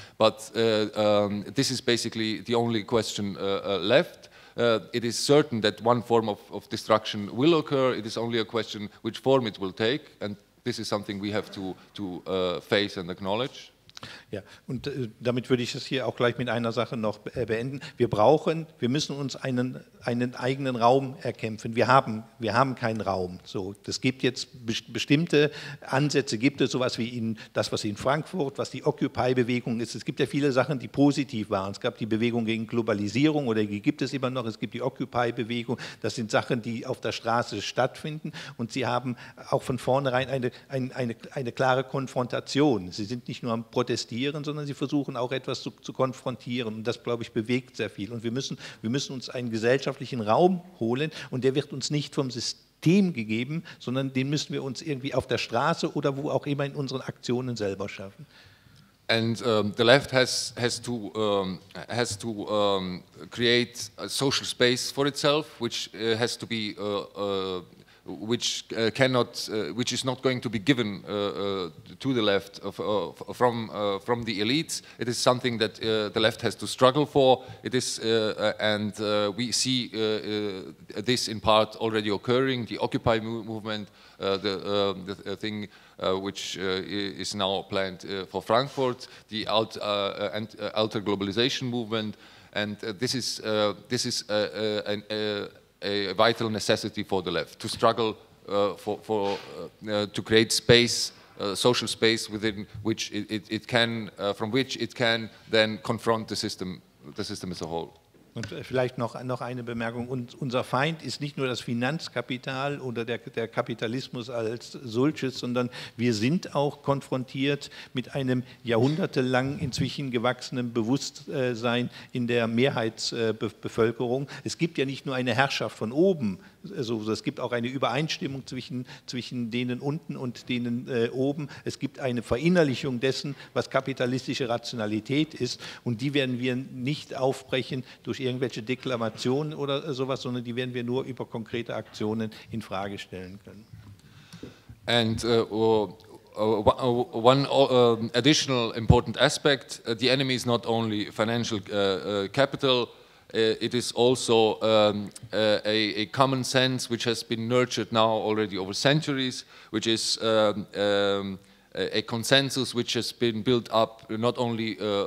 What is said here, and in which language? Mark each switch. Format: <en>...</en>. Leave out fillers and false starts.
<en>But this is basically the only question left. It is certain that one form of destruction will occur. It is only a question which form it will take, and this is something we have to face and acknowledge.</en> <de>Ja, und damit würde ich es hier auch gleich mit einer Sache noch beenden. Wir müssen uns einen eigenen Raum erkämpfen. Wir haben keinen Raum. So, das gibt jetzt bestimmte Ansätze, gibt es sowas wie was die Occupy-Bewegung ist. Es gibt ja viele Sachen, die positiv waren. Es gab die Bewegung gegen Globalisierung, oder die gibt es immer noch. Es gibt die Occupy-Bewegung. Das sind Sachen, die auf der Straße stattfinden. Und sie haben auch von vornherein eine klare Konfrontation. Sie sind nicht nur am protestieren, sondern sie versuchen auch etwas zu konfrontieren, und das, glaube ich, bewegt sehr viel. Und wir müssen uns einen gesellschaftlichen Raum holen, und der wird uns nicht vom System gegeben, sondern den müssen wir uns irgendwie auf der Straße oder wo auch immer in unseren Aktionen selber schaffen.</de> <en>And the left has to create a social space for itself, which is not going to be given to the left from the elites. It is something that the left has to struggle for. It is, and we see this in part already occurring. The Occupy movement, the thing which is now planned for Frankfurt, the alter globalization movement, and this is a vital necessity for the left to struggle to create space, social space within which it can, from which it can then confront the system as a whole.</en> <de>Und vielleicht noch eine Bemerkung. Und unser Feind ist nicht nur das Finanzkapital oder der Kapitalismus als solches, sondern wir sind auch konfrontiert mit einem jahrhundertelang inzwischen gewachsenen Bewusstsein in der Mehrheitsbevölkerung. Es gibt ja nicht nur eine Herrschaft von oben, also es gibt auch eine Übereinstimmung zwischen denen unten und denen oben. Es gibt eine Verinnerlichung dessen, was kapitalistische Rationalität ist. Und die werden wir nicht aufbrechen durch irgendwelche Deklamationen oder sowas, sondern die werden wir nur über konkrete Aktionen in Frage stellen können.</de> <en>And one additional important aspect, the enemy is not only financial capital, it is also a common sense which has been nurtured now already over centuries, which is a consensus which has been built up not only</en>